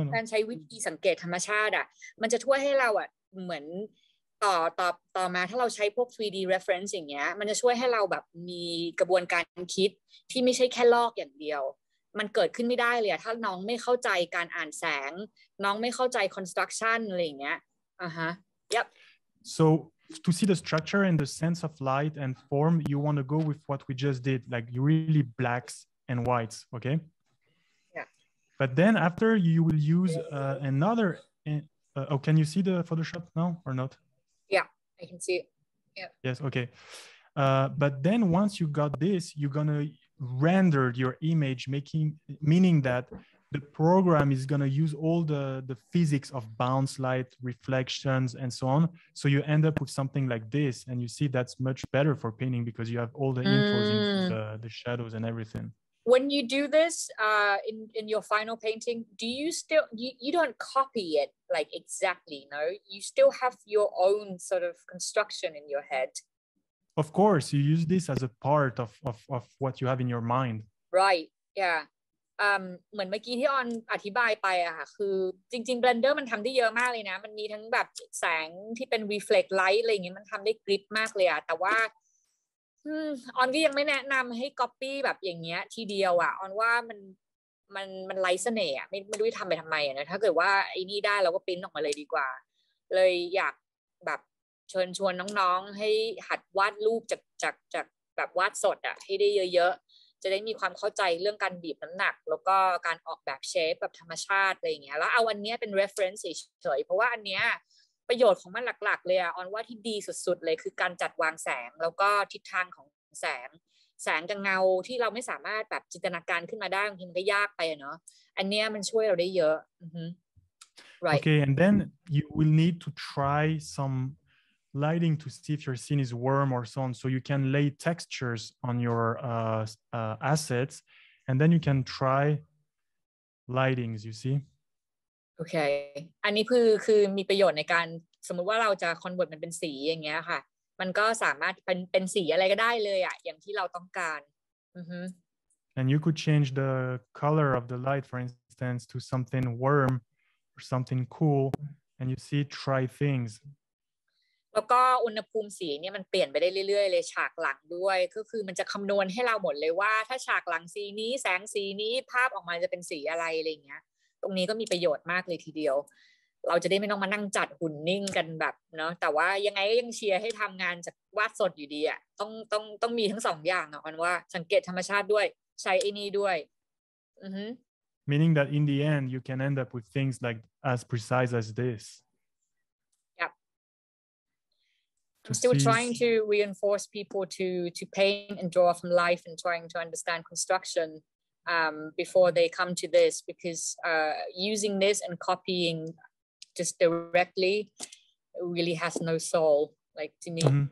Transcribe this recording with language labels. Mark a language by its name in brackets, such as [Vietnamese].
[Thai] ช้วิธีสังเกตธรรมชาติอะมันจะช่วยให้เราอะเหมือนต่อมาถ้าเราใช้พวก 3D reference อย่างเงี้ยมันจะช่วยให้เราแบบมีกระบวนการคิดที่ไม่ใช่แค่ลอกอย่างเดียวมันเกิดขึ้นไม่ได้เลยถ้าน้องไม่เข้าใจการอ่านแสงน้องไม่เข้าใจ construction อะไรอย่างเงี้ยอ่าฮะ yep [English] soTo see the structure and the sense of light and form, you want to go with what we just did, like really blacks and whites, okay? Yeah. But then after you will use another... can you see the Photoshop now or not? Yeah, I can see it. Yeah. Yes, okay. But then once you got this, you're going to render your image, meaning that the program is going to use all the physics of bounce light, reflections, and so on. So you end up with something like this, and you see that's much better for painting because you have all the infos into the shadows and everything. When you do this in your final painting, do you still, you don't copy it like exactly, no? You still have your own sort of construction in your head. Of course, you use this as a part of what you have in your mind. Right, yeah. [Thai] เหมือนเมื่อกี้ที่ออนอธิบายไปอะค่ะคือจริงๆ Blender มันทำได้เยอะมากเลยนะมันมีทั้งแบบแสงที่เป็น reflect light อะไรอย่างเงี้ยมันทำได้กริปมากเลยอะแต่ว่าออนก็ยังไม่แนะนำให้ copy แบบอย่างเงี้ยทีเดียวอะออนว่ามันไร้เสน่ห์อะไม่รู้จะทำไปทำไมอะนะถ้าเกิดว่าไอ้นี่ได้เราก็ปริ้นออกมาเลยดีกว่าเลยอยากแบบเชิญชวนน้องๆให้หัดวาดรูปจากแบบวาดสดอะให้ได้เยอะจะได้มีความเข้าใจเรื่องการบีบน้ำหนักแล้วก็การออกแบบเชฟแบบธรรมชาติอะไรเงี้ยแล้วเอาอันนี้เป็น reference เฉยๆเพราะว่าอันเนี้ย ประโยชน์ของมันหลักๆเลยอะออนว่าที่ดีสุดๆเลยคือการจัดวางแสงแล้วก็ทิศทางของแสงกับเงาที่เราไม่สามารถแบบจินตนาการขึ้นมาได้บางทีมันก็ยากไปเนาะอันเนี้ยมันช่วยเราได้เยอะ [English] Right. Okay, and then you will need to try some lighting to see if your scene is warm or so on. So you can lay textures on your assets, and then you can try lightings, you see? Okay. [Thai] อันนี้คือมีประโยชน์ในการสมมุติว่าเราจะคอนเวิร์ตมันเป็นสีอย่างเงี้ยค่ะมันก็สามารถเป็นสีอะไรก็ได้เลยอ่ะอย่างที่เราต้องการ [English] And you could change the color of the light, for instance, to something warm or something cool, and you see try things. [Thai] แล้วก็อุณหภูมิสีเนี่ยมันเปลี่ยนไปได้เรื่อยๆเลยฉากหลังด้วยก็คือมันจะคำนวณให้เราหมดเลยว่าถ้าฉากหลังสีนี้แสงสีนี้ภาพออกมาจะเป็นสีอะไรอะไรเงี้ยตรงนี้ก็มีประโยชน์มากเลยทีเดียวเราจะได้ไม่ต้องมานั่งจัดหุ่นนิ่งกันแบบเนาะแต่ว่ายังไงก็ยังเชียร์ให้ทำงานจากวาดสดอยู่ดีอ่ะต้องมีทั้งสองอย่างอ่ะมันว่าสังเกตธรรมชาติด้วยใช้ไอ้นี่ด้วย [English] meaning that in the end you can end up with things like as precise as this yep I'm still trying to reinforce people to paint and draw from life and trying to understand constructionbefore they come to this because using this and copying just directly really has no soul like to me